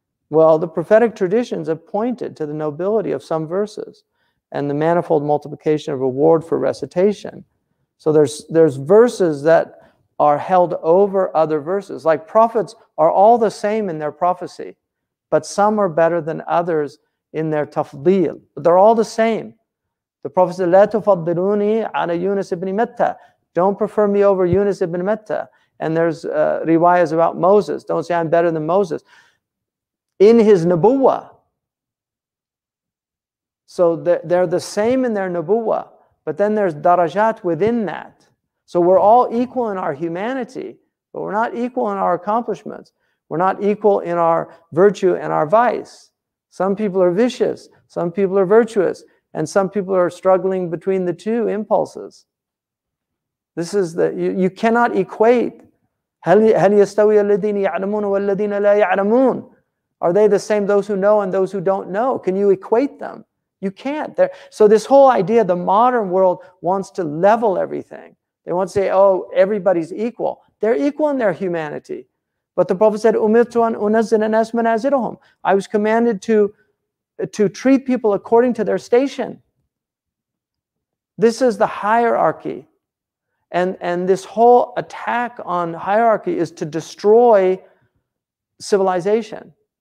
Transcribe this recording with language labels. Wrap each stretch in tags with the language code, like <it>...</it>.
<en>Well, the prophetic traditions have pointed to the nobility of some verses and the manifold multiplication of reward for recitation. So there's verses that are held over other verses. Like prophets are all the same in their prophecy, but some are better than others in their tafdil. But they're all the same.</en> <ar>The Prophet said, لَا تُفَضِّلُونِي عَلَى يُونَسِ ابْنِ مَتَّى.</ar> <en>Don't prefer me over Yunus ibn Matta. And there's riwayas about Moses. Don't say I'm better than Moses. In his nubuwa. So they're the same in their nubuwa. But then there's darajat within that. So we're all equal in our humanity, but we're not equal in our accomplishments. We're not equal in our virtue and our vice. Some people are vicious. Some people are virtuous. And some people are struggling between the two impulses. This is the, you cannot equate.</en> <ar>هَلْ يَسْتَوِيَ الَّذِينِ يَعْلَمُونَ وَالَّذِينَ لَا يَعْلَمُونَ.</ar> <en>Are they the same, those who know and those who don't know? Can you equate them? You can't. So this whole idea, the modern world wants to level everything. They won't say, oh, everybody's equal. They're equal in their humanity.</en> <ar>But the Prophet said, أُمِرْتُ أَنْ أُنَزِّلَ النَّاسَ مَنَازِلَهُمْ.</ar> <en>I was commanded to treat people according to their station. This is the hierarchy. And this whole attack on hierarchy is to destroy civilization.</en>